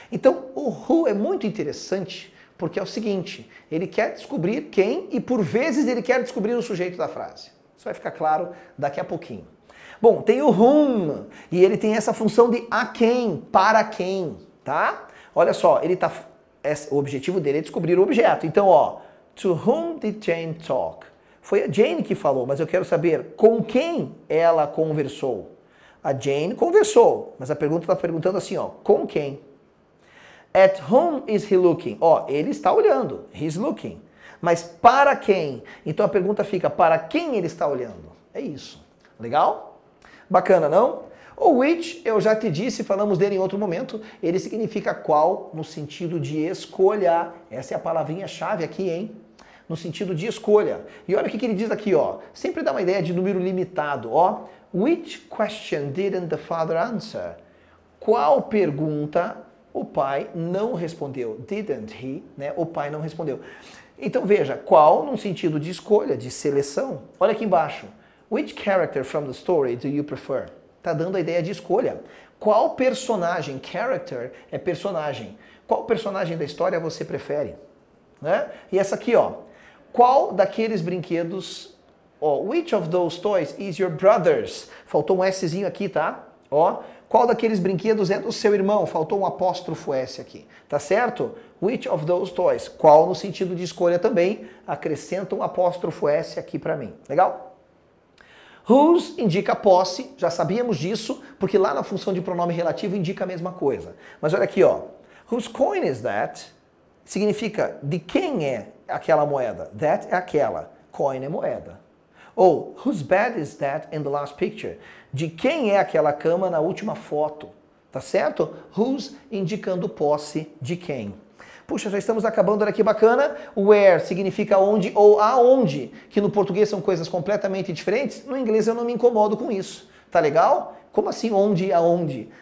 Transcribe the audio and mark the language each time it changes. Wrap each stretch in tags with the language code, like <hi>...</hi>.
<pt>Então, o who é muito interessante. Porque é o seguinte, ele quer descobrir quem e por vezes ele quer descobrir o sujeito da frase. Isso vai ficar claro daqui a pouquinho. Bom, tem o whom e ele tem essa função de a quem, para quem, tá? Olha só, ele tá, o objetivo dele é descobrir o objeto. Então, ó,</pt> <en>to whom did Jane talk?</en> <pt>Foi a Jane que falou, mas eu quero saber com quem ela conversou. A Jane conversou, mas a pergunta tá perguntando assim, ó, com quem?</pt> <en>At whom is he looking?</en> <pt>Ó, ele está olhando.</pt> <en>He's looking.</en> <pt>Mas para quem? Então a pergunta fica, para quem ele está olhando? É isso. Legal? Bacana, não? O which, eu já te disse, falamos dele em outro momento. Ele significa qual no sentido de escolha. Essa é a palavrinha chave aqui, hein? No sentido de escolha. E olha o que ele diz aqui, ó. Sempre dá uma ideia de número limitado, ó.</pt> <en>Which question didn't the father answer?</en> <pt>Qual pergunta... O pai não respondeu.</pt> <en>Didn't he?</en> <pt>Né? O pai não respondeu. Então veja, qual num sentido de escolha, de seleção? Olha aqui embaixo.</pt> <en>Which character from the story do you prefer?</en> <pt>Tá dando a ideia de escolha. Qual personagem? Character é personagem. Qual personagem da história você prefere? Né? E essa aqui, ó. Qual daqueles brinquedos...</pt> <en>Ó, which of those toys is your brother's?</en> <pt>Faltou um Szinho aqui, tá? Ó. Qual daqueles brinquedos é do seu irmão? Faltou um apóstrofo S aqui. Tá certo?</pt> <en>Which of those toys?</en> <pt>Qual no sentido de escolha também? Acrescenta um apóstrofo S aqui pra mim. Legal? Whose indica posse, já sabíamos disso, porque lá na função de pronome relativo indica a mesma coisa. Mas olha aqui, ó.</pt> <en>Whose coin is that?</en> <pt>Significa de quem é aquela moeda. That é aquela. Coin é moeda.</pt> <en>Ou, whose bed is that in the last picture?</en> <pt>De quem é aquela cama na última foto? Tá certo? Whose indicando posse de quem. Puxa, já estamos acabando, olha que bacana. Where significa onde ou aonde, que no português são coisas completamente diferentes. No inglês eu não me incomodo com isso. Tá legal? Como assim onde e aonde?</pt>